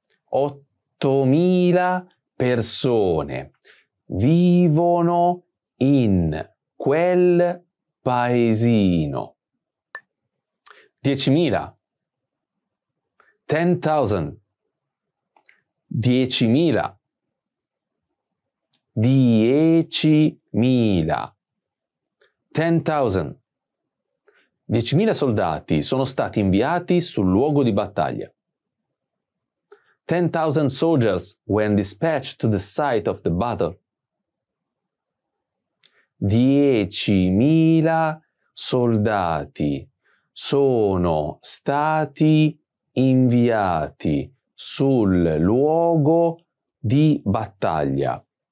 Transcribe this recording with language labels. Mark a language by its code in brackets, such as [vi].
[it] 8,000 persone vivono in quel paesino. 10,000. 10,000. 10,000. 10,000. 10,000. 10,000 soldati sono stati inviati sul luogo di battaglia. [en] 10,000 soldiers were dispatched to the site of the battle. [it] 10,000 soldati sono stati inviati sul luogo di battaglia.